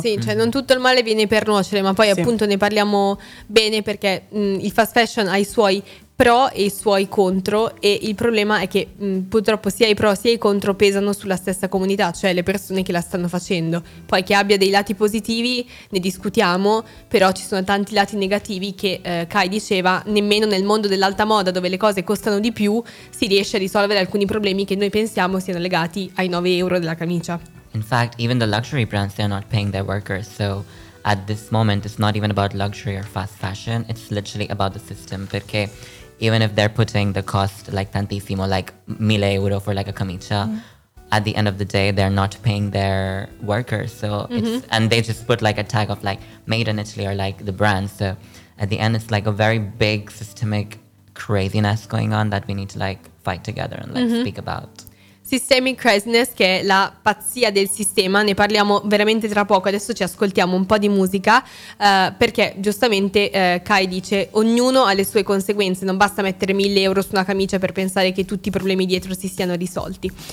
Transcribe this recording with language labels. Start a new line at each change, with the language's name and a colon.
Italian: Sì, cioè non tutto il male viene per nuocere, ma poi appunto ne parliamo bene, perché il fast fashion ha i suoi pro e i suoi contro, e il problema è che purtroppo sia i pro sia i contro pesano sulla stessa comunità, cioè le persone che la stanno facendo. Poi che abbia dei lati positivi ne discutiamo, però ci sono tanti lati negativi che Kai diceva, nemmeno nel mondo dell'alta moda, dove le cose costano di più, si riesce a risolvere alcuni problemi che noi pensiamo siano legati ai 9 euro della camicia.
English: In fact, even the luxury brands, they are not paying their workers, so at this moment it's not even about luxury or fast fashion, it's literally about the system,
Italian: perché
English: even if they're putting the cost like
Italian: tantissimo,
English: like 1,000 euro for like a camicia, at the end of the day, they're not paying their workers. So it's, and they just put like a tag of like made in Italy or like the brand. So at the end, it's like a very big systemic craziness going on that we need to like fight together and like speak about. Systemic craziness,
Italian: che è la pazzia del sistema, ne parliamo veramente tra poco. Adesso ci ascoltiamo un po' di musica, perché giustamente Kai dice ognuno ha le sue conseguenze, non basta mettere 1,000 euro su una camicia per pensare che tutti i problemi dietro si siano risolti.